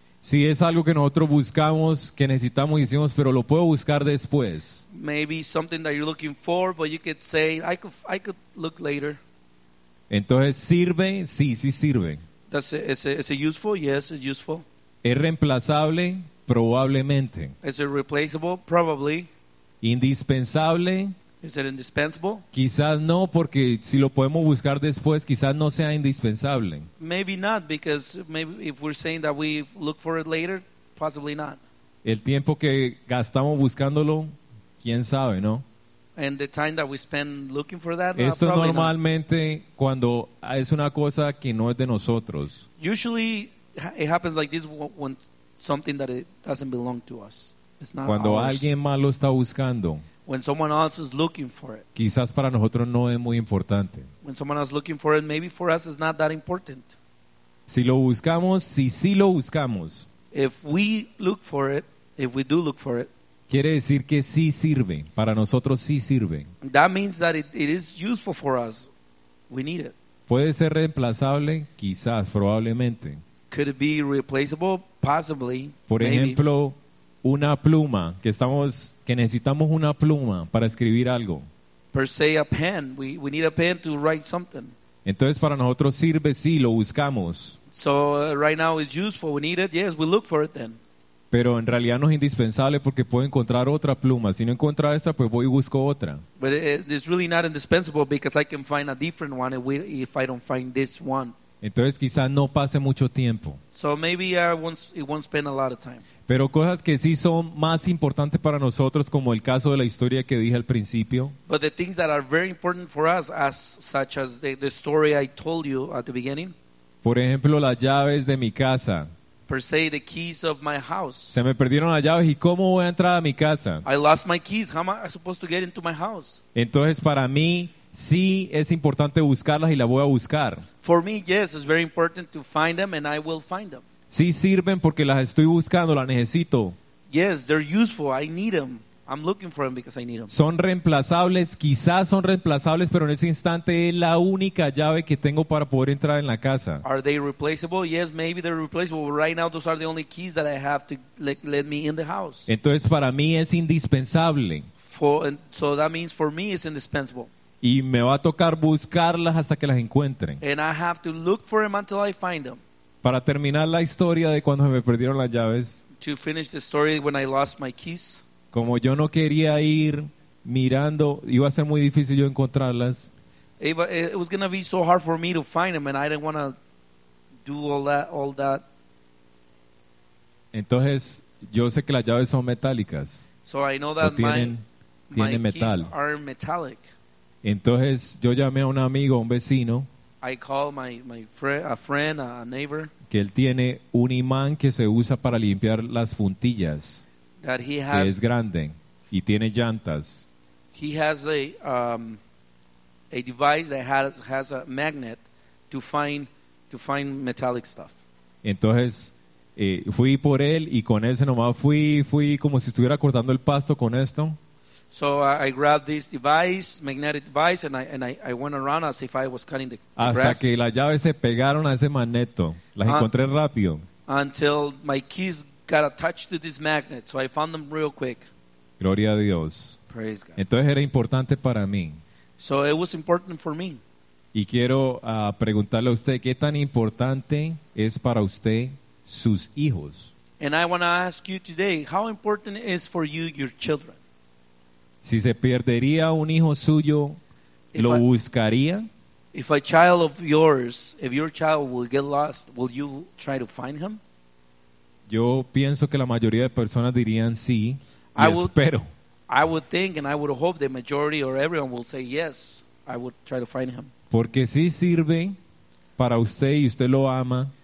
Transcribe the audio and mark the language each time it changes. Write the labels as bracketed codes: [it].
[es] Si es algo que nosotros buscamos, que necesitamos y decimos, pero lo puedo buscar después. [en] Maybe something that you're looking for, but you could say, I could look later. [es] Entonces, ¿sirve? Sí, sí sirve. [en] Is it useful? Yes, it's useful. [es] ¿Es reemplazable? Probablemente. [en] Is it replaceable? Probably. [es] ¿Indispensable? [en] Is it indispensable? [es] Quizás no, porque si lo podemos buscar después, quizás no sea indispensable. [en] Maybe not, because maybe if we're saying that we look for it later, possibly not. [es] El tiempo que gastamos buscándolo, quién sabe, ¿no? [en] And the time that we spend looking for that, [es] esto normalmente [en] not. [es] Cuando es una cosa que no es de nosotros. [en] Usually it happens like this when something that it doesn't belong to us. It's not [es] cuando [en] ours. [es] Alguien más lo está buscando. [en] When someone else is looking for it. [es] Quizás para nosotros no es muy importante. [en] When someone else is looking for it, maybe for us it's not that important. [es] Si lo buscamos, si sí lo buscamos. [en] If we look for it, if we do look for it. [es] Quiere decir que sí sirve. Para nosotros sí sirve. [en] That means that it is useful for us. We need it. [es] ¿Puede ser reemplazable? Quizás, probablemente. [en] Could it be replaceable? Possibly. [es] Por ejemplo, [en] maybe. [es] Una pluma. Que necesitamos una pluma para escribir algo. [en] Per se, a pen. We need a pen to write something. [es] Entonces, para nosotros sirve, sí, lo buscamos. [en] So, right now it's useful. We need it. Yes, we look for it then. [es] Pero en realidad no es indispensable porque puedo encontrar otra pluma. Si no encuentro esta, pues voy y busco otra. [en] But it's really not indispensable because I can find a different one if I don't find this one. [es] Entonces quizás no pase mucho tiempo. [en] So maybe it won't spend a lot of time. [es] Pero cosas que sí son más importantes para nosotros, como el caso de la historia que dije al principio. [en] But the things that are very important for us, as such as the story I told you at the beginning. [es] Por ejemplo, las llaves de mi casa. [en] Per se, the keys of my house. [es] Se me perdieron las llaves y ¿cómo voy a entrar a mi casa? [en] I lost my keys. How am I supposed to get into my house? [es] Entonces, para mí, sí es importante buscarlas y las voy a buscar. [en] For me, yes, it's very important to find them and I will find them. [es] Sí sirven porque las estoy buscando, las necesito. [en] Yes, they're useful. I need them. I'm looking for them because I need them. [es] Son reemplazables, quizás son reemplazables, pero en ese instante es la única llave que tengo para poder entrar en la casa. [en] Are they replaceable? Yes, maybe they're replaceable. But right now, those are the only keys that I have to let me in the house. [es] Entonces, para mí es indispensable. [en] So that means for me it's indispensable. [es] Y me va a tocar buscarlas hasta que las encuentren. [en] And I have to look for them until I find them. [es] Para terminar la historia de cuando me perdieron las llaves. [en] To finish the story when I lost my keys. [es] Como yo no quería ir mirando, iba a ser muy difícil yo encontrarlas. [en] It was going to be so hard for me to find them, and I didn't want to do all that. [es] Entonces, yo sé que las llaves son metálicas. [en] So I know that [es] tienen [en] my metal. Keys are metallic. [es] Entonces, yo llamé a un amigo, a un vecino. [en] I called my friend, a neighbor. [es] Que él tiene un imán que se usa para limpiar las puntillas. [en] That he has, [es] que es grande y tiene llantas. [en] He has a device that has a magnet to find metallic stuff. [es] Entonces fui por él y con ese nomás fui como si estuviera cortando el pasto con esto. [en] So I grabbed this device, magnetic device, and I went around as if I was cutting the grass. [es] Hasta que las llaves se pegaron a ese magneto, las encontré rápido. [en] Until my keys got attached to this magnet, so I found them real quick. [es] Gloria a Dios. [en] Praise God. [es] Entonces era importante para mí. [en] So it was important for me. [es] Y quiero preguntarle a usted, ¿qué tan importante es para usted sus hijos? [en] And I want to ask you today, how important is for you your children? [es] Si se perdería un hijo suyo, ¿lo buscaría? [en] If a child of yours, if your child will get lost, will you try to find him? [es] Yo pienso que la mayoría de personas dirían sí, y espero. [en] I would think and I would hope the majority or everyone will say yes, I would try to find him. [es] Porque sí sirve para usted y usted lo ama.